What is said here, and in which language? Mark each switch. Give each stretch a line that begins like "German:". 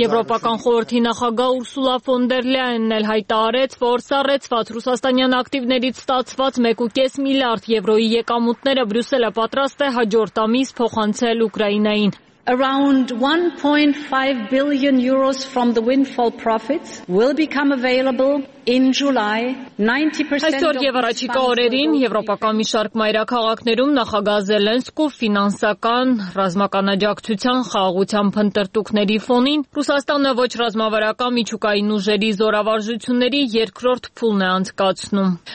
Armenian: Եվրոպական խորհրդի նախագահ Ուրսուլա ֆոն դեր Լայենն էլ հայտարարեց, որ սառեցված ռուսաստանյան ակտիվներից ստացված 1.5 միլիարդ եվրոյի եկամուտները Բրյուսելը պատրաստ է հաջորդ ամիս փոխանցել Ուկրաինային։
English: Around 1.5 billion euros from the windfall profits will become available in July. 90%
Armenian: Այսօր եւ առաջիկա օրերին եվրոպական մի շարք մայրաքաղաքներում նախագահ Զելենսկու ֆինանսական ռազմական աջակցության խաղաղության փնտրտուքների ֆոնին Ռուսաստանը ոչ ռազմավարական միջուկային ուժերի զորավարժությունների երկրորդ փուլն է անցկացնում։